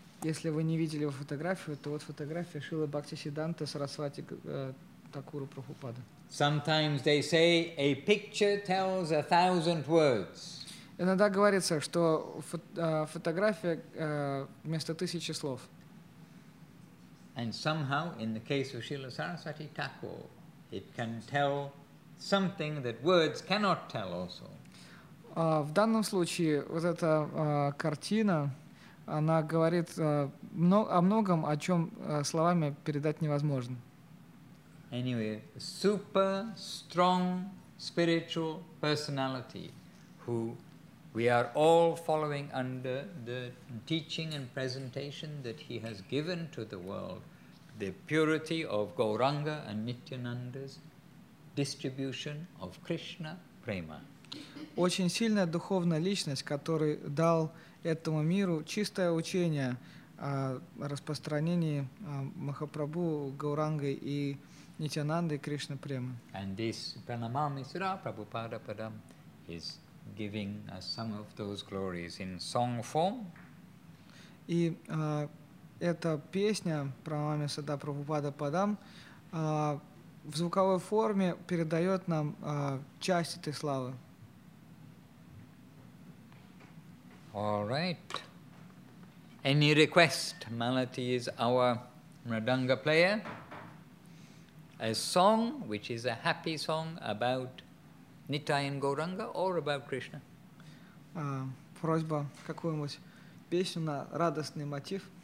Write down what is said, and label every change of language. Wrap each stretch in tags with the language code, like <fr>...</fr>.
<ru>Если вы не видели его фотографию, то вот фотография Шрилы Бхакти Сиддханты Сарасвати Такуру Прабхупады.</ru> <en>Sometimes they say a picture tells a thousand words.</en> <ru>Иногда говорится, что фотография вместо тысячи слов.</ru> <en>And somehow, in the case of Srila Sarasvati Thakur, it can tell something that words cannot tell also.</en> <ru>В данном случае вот эта картина, она говорит о многом, о чем словами передать невозможно.</ru> <en>Anyway, super strong spiritual personality who we are all following under the teaching and presentation that he has given to the world, the purity of Gauranga and Nityananda's distribution of Krishna Prema.</en> <ru>Очень сильная духовная личность, который дал этому миру чистое учение о распространении Махапрабху, Гауранга и Нитянанды, Кришна Према.</ru> <en>And this Pranamami Sura Prabhupada Padam is giving us some of those glories in song form.</en> <ru>И эта песня Pranamami Sura Prabhupada Padam в звуковой форме передает нам часть этой славы.</ru> <en>All right. Any request? Malati is our mridanga player. A song which is a happy song about Nitai and Gauranga or about Krishna?</en> <ru>Просьба какую-нибудь песню на радостный мотив.</ru>